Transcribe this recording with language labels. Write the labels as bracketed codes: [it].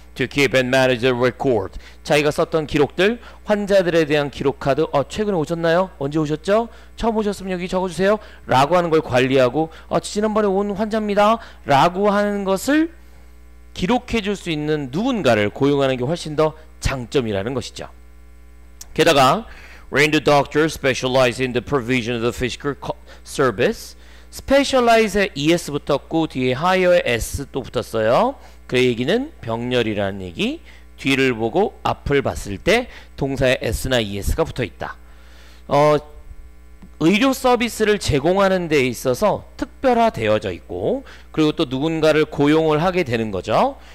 [en] To keep and manage the record [ko] 자기가 썼던 기록들 환자들에 대한 기록카드 최근에 오셨나요? 언제 오셨죠? 처음 오셨으면 여기 적어주세요 라고 하는 걸 관리하고 지난번에 온 환자입니다 라고 하는 것을 기록해 줄 수 있는 누군가를 고용하는 게 훨씬 더 장점이라는 것이죠. [en] 게다가 render doctors specialize in the provision of the physical service [ko] specialize의 es 붙었고 뒤에 hire의 s 또 붙었어요. 그 얘기는 병렬이라는 얘기 뒤를 보고 앞을 봤을 때 동사의 s나 es가 붙어있다. 의료 서비스를 제공하는 데 있어서 특별화되어져 있고 그리고 또 누군가를 고용을 하게 되는 거죠.